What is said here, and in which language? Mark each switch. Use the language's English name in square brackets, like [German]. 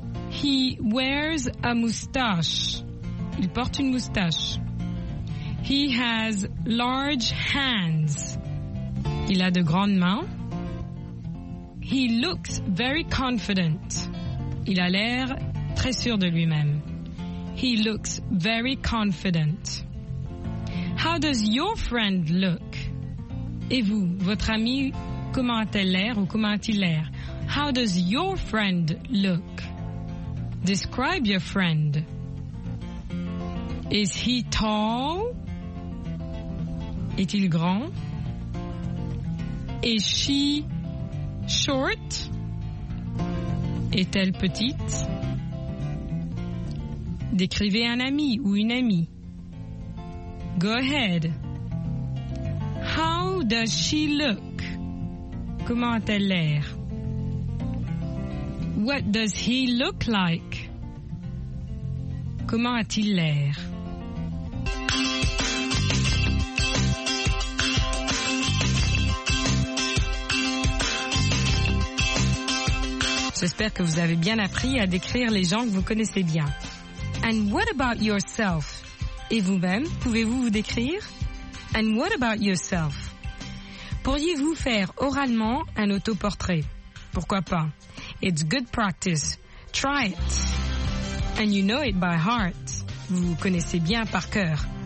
[English] He wears a moustache. [French] Il porte une moustache. [English] He has large hands. [French] Il a de grandes mains. [English] He looks very confident. [French] Il a l'air très sûr de lui-même. [English] He looks very confident. How does your friend look? [French] Et vous, votre ami, comment a-t-il l'air ou comment a-t-il l'air? [English] How does your friend look? Describe your friend. Is he tall? [French] Est-il grand? [English] Is she short? [French] Est-elle petite? Décrivez un ami ou une amie. [English] Go ahead. How does she look? [French] Comment a-t-elle l'air? [English] What does he look like? [French] Comment a-t-il l'air? J'espère que vous avez bien appris à décrire les gens que vous connaissez bien. [English] And what about yourself? [French] Et vous-même, pouvez-vous vous décrire? [English] And what about yourself? [French] Pourriez-vous faire oralement un autoportrait? Pourquoi pas? [English] It's good practice. Try it. And you know it by heart. [French] Vous connaissez bien par cœur.